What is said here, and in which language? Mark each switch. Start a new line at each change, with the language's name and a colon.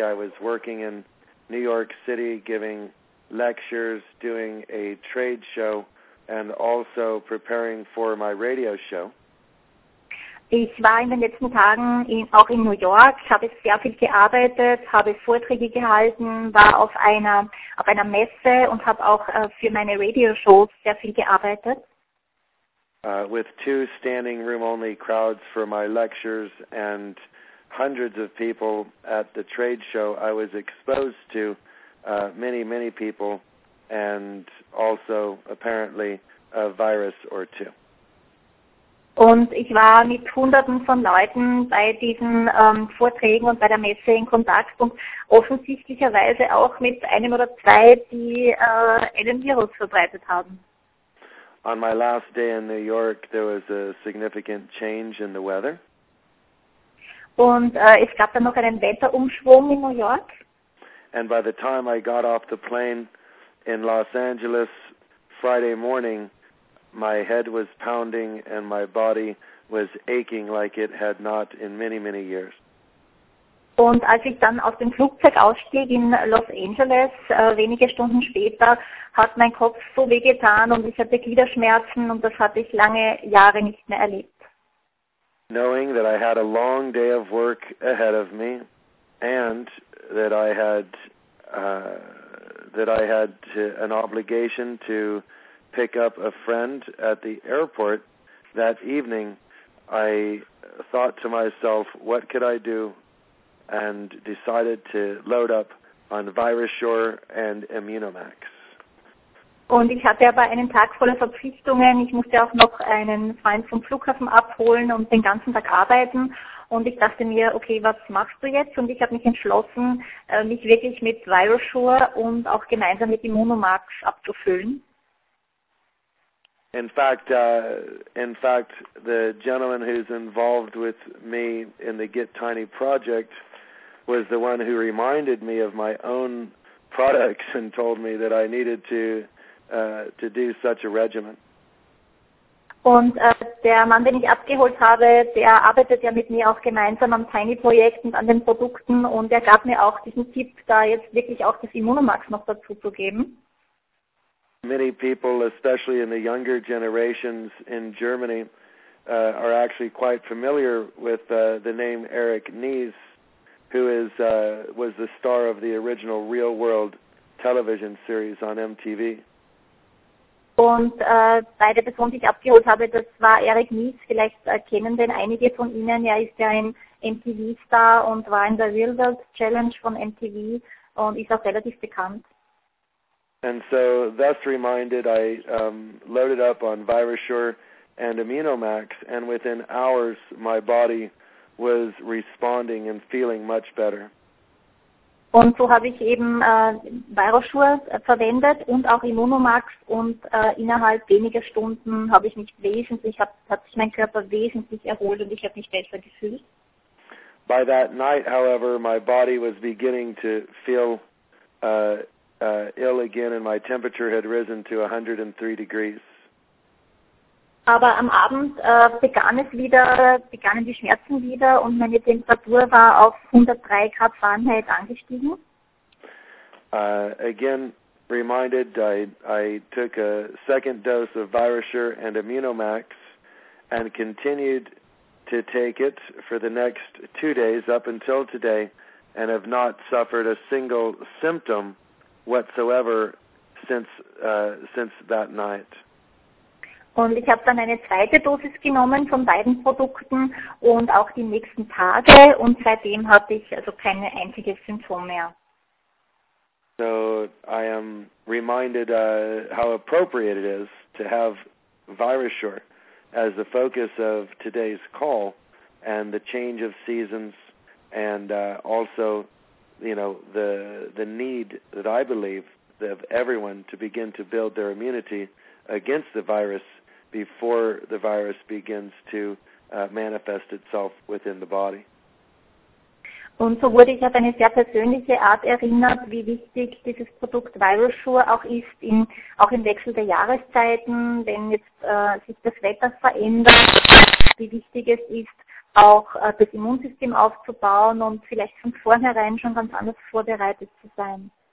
English: I was working in New York City, giving lectures, doing a trade show, and also preparing for my radio show.
German: Ich war in den letzten Tagen auch in New York, habe sehr viel gearbeitet, habe Vorträge gehalten, war auf einer Messe und habe auch für meine Radio Shows sehr viel gearbeitet.
English: With two standing room only crowds for my lectures and hundreds of people at the trade show, I was exposed to many, many people and also apparently a virus or two.
German: Und ich war mit hunderten von Leuten bei diesen Vorträgen und bei der Messe in Kontakt und offensichtlicherweise auch mit einem oder zwei, die einen Virus verbreitet haben.
English: On my last day in New York, there was a significant change in the weather.
German: Und es gab dann noch einen Wetterumschwung in New York.
English: And by the time I got off the plane in Los Angeles Friday morning, my head was pounding and my body was aching like it had not in many, many years.
German: Und als ich dann aus dem Flugzeug ausstieg in Los Angeles, wenige Stunden später, hat mein Kopf so wehgetan und ich hatte Gliederschmerzen und das hatte ich lange Jahre nicht mehr erlebt.
English: Knowing that I had a long day of work ahead of me and that I had an obligation to pick up a friend at the airport that evening, I thought to myself, what could I do? And decided to load up on Virussure and Immunomax.
German: Und ich hatte aber einen Tag voller Verpflichtungen. Ich musste auch noch einen Freund vom Flughafen abholen und den ganzen Tag arbeiten. Und ich dachte mir, okay, was machst du jetzt? Und ich habe mich entschlossen, mich wirklich mit Virussure und auch gemeinsam mit Immunomax abzufüllen.
English: In fact, the gentleman who's involved with me in the Get Tiny project was the one who reminded me of my own products and told me that I needed to do such a regimen.
German: Und der Mann, den ich abgeholt habe, der arbeitet ja mit mir auch gemeinsam am Tiny-Projekt und an den Produkten und er gab mir auch diesen Tipp, da jetzt wirklich auch das Immunomax noch dazu zu geben.
English: Many people, especially in the younger generations in Germany, are actually quite familiar with the name Erik Nies, who was the star of the original Real World television series on MTV.
German: Und bei der Person, die ich abgeholt habe, das war Erik Nies. Vielleicht kennen den einige von Ihnen. Er ist ja ein MTV-Star und war in der Real World Challenge von MTV und ist auch relativ bekannt.
English: And so, thus reminded, I loaded up on Virussure and Immunomax, and within hours, my body was responding and feeling much better.
German: Und so habe ich eben Virussure verwendet und auch Immunomax, und innerhalb weniger Stunden habe ich mich wesentlich, hat sich mein Körper wesentlich erholt und ich habe mich besser gefühlt.
English: By that night, however, my body was beginning to feel ill again, and my temperature had risen to 103 degrees.
German: Aber am Abend begannen die Schmerzen wieder und meine Temperatur war auf 103 Grad Fahrenheit angestiegen.
English: Again, reminded, I took a second dose of Virasure and Immunomax and continued to take it for the next 2 days up until today and have not suffered a single symptom whatsoever since that night.
German: Und ich habe dann eine zweite Dosis genommen von beiden Produkten und auch die nächsten Tage und seitdem hatte ich also kein einziges Symptom mehr.
English: So I am reminded how appropriate it is to have Virasure as the focus of today's call and the change of seasons and also, you know, the need that I believe of everyone to begin to build their immunity against the virus before the virus begins to manifest itself within the body.
German: Und so wurde ich auf eine sehr persönliche Art erinnert, wie wichtig dieses Produkt Virasure auch ist, auch im Wechsel der Jahreszeiten, wenn jetzt sich das Wetter verändert, wie wichtig es ist, auch das Immunsystem aufzubauen und vielleicht von vornherein schon ganz anders vorbereitet zu sein.